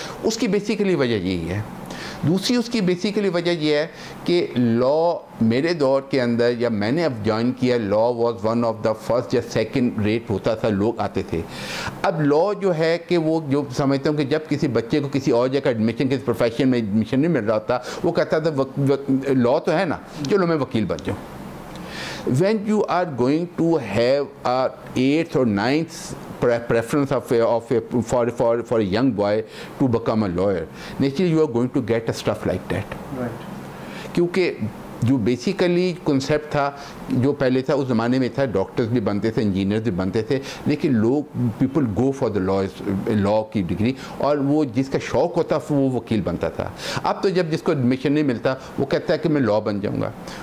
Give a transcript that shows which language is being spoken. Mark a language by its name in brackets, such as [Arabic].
[Hindi] उसकी बेसिकली वजह यही है. दूसरी उसकी बेसिकली वजह यह है कि लॉ मेरे दौर के अंदर जब मैंने अब ज्वाइन किया [English] law was one of the first या second rate [Hindi] होता था, लोग आते थे. अब लॉ जो है कि वो जो समझता हूँ कि जब किसी बच्चे को किसी और जगह एडमिशन किसी प्रोफेशन में एडमिशन नहीं मिल रहा होता वो कहता था लॉ तो है ना चलो मैं वकील बन जाऊँ. [English] When you are going to have a eighth or ninth preference for a young boy to become a lawyer, naturally you are going to get a stuff like that. Right. [Hindi] क्योंकि जो basically concept था जो पहले था उस ज़माने में था doctors भी बनते थे engineers भी बनते थे लेकिन लोग [English] people go for the law [Hindi] की degree और वो जिसका शौक होता वो वकील बनता था. अब तो जब जिसको admission नहीं मिलता वो कहता है कि मैं law बन जाऊँगा.